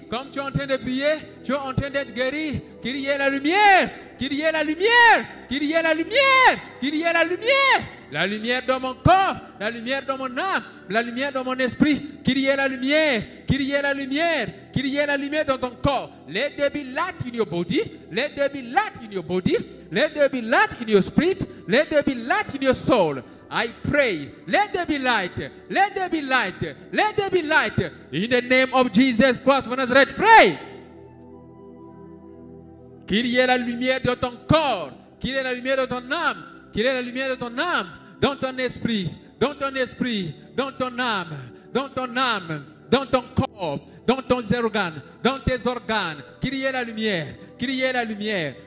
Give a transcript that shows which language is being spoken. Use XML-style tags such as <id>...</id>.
<fr>Comme tu es en train de prier, tu es en train d'être guéri. Qu'il y ait la lumière. Qu'il y ait la lumière. Qu'il y ait la lumière. Qu'il y ait la lumière. La lumière dans mon corps, la lumière dans mon âme, la lumière dans mon esprit. Qu'il y ait la lumière, qu'il y ait la lumière, qu'il y ait la lumière dans ton corps.</fr> <en>Let there be light in your body, let there be light in your body, let there be light in your spirit, let there be light in your soul. I pray, let there be light, let there be light, let there be light. In the name of Jesus Christ of Nazareth, pray.</en> <fr>Qu'il y ait la lumière dans ton corps, qu'il y ait la lumière dans ton âme. Qu'il est la lumière de ton âme, dans ton esprit, dans ton esprit, dans ton âme, dans ton âme, dans ton corps, dans ton organe, dans tes organes. Qu'il y ait la lumière, qu'il y ait la lumière.</fr>